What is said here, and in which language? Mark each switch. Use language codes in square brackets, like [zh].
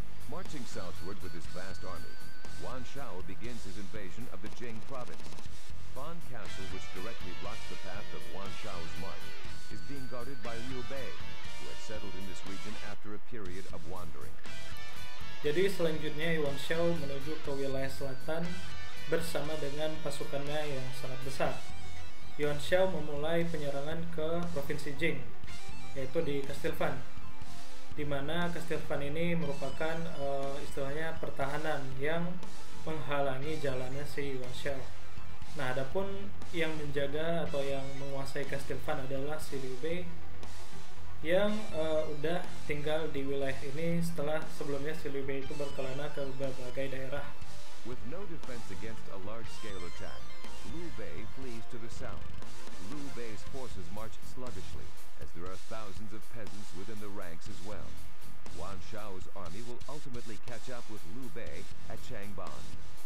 [en] Marching southward with his vast army, Yuan Shao begins his invasion of the Jing province. Fan Castle, which directly blocks the path of Yuan Shao's march, is being guarded by Liu Bei, who had settled in this region after a period of wandering. [id] Jadi selanjutnya Yuan Shao menuju ke wilayah selatan bersama dengan pasukannya yang sangat besar, Yuan Shao memulai penyerangan ke Provinsi Jing, yaitu di Kastil Fan, di mana Kastil Fan ini merupakan istilahnya pertahanan yang menghalangi jalannya si Yuan Shao. Nah, adapun yang menjaga atau yang menguasai Kastil Fan adalah si Liu Bei yang udah tinggal di wilayah ini setelah sebelumnya si Liu Bei itu berkelana ke berbagai daerah. [en] With no defense against a large scale attack, Liu Bei flees to the south. Liu Bei's forces march sluggishly as there are thousands of peasants within the ranks as well. Wan Shao's army will ultimately catch up with Liu Bei at Changban.